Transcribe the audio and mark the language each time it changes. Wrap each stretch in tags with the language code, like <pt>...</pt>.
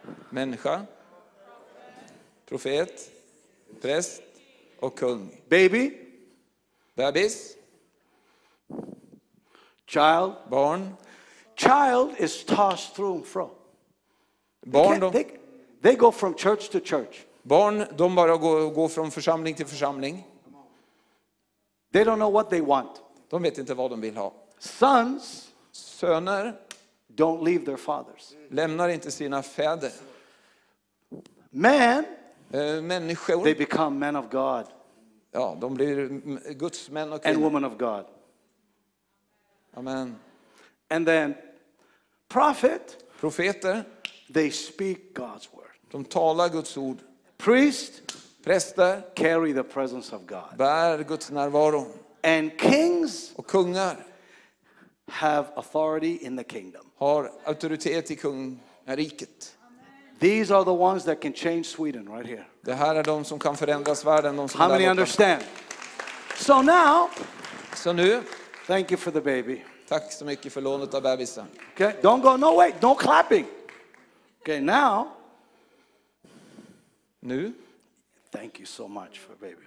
<sv>Människa. Profet, präst och kung.</sv> <en>Baby.</en> <sv>Babys.</sv> <en>Child.</en> <sv>Barn.</sv> <en>Child is tossed through and fro.</en> <sv>Barn,</sv> <en>they go from church to church.</en> <sv>Barn, de bara går från församling till församling.</sv> <en>They don't know what they want.</en> <sv>De vet inte vad de vill ha.</sv> <en>Sons,</en> <sv>söner,</sv> <en>don't leave their fathers.</en> <sv>Lämnar inte sina fäder.</sv> <en>Men,</en> <sv>människor,</sv> <en>they become men of God.</en> <sv>Ja, de blir Guds män och</sv> <en>kvinnor. And women of God. Amen. And then, prophet,</en> <sv>profeter,</sv> <en>they speak God's word.</en> <sv>De talar Guds ord.</sv> <en>Priest,</en> <sv>präster,</sv> <en>carry the presence of God.</en> <sv>Bär Guds närvaro.</sv> <en>And kings,</en> <sv>och kungar,</sv> <en>have authority in the kingdom.</en> <sv>Har auktoritet i kungariket.</sv> <en>These are the ones that can change Sweden right here.</en> <sv>Det här är de som kan förändra världen.</sv> <en>How many</en> <sv>borta.</sv> <en>Understand? So now,</en> <sv>så nu,</sv> <en>thank you for the baby.</en> <sv>Tack så mycket för lånet av bebisen.</sv> <en>Okay, don't go, no way, no clapping. Okay, now.</en> <sv>Nu.</sv> <en>Thank you so much for baby.</en>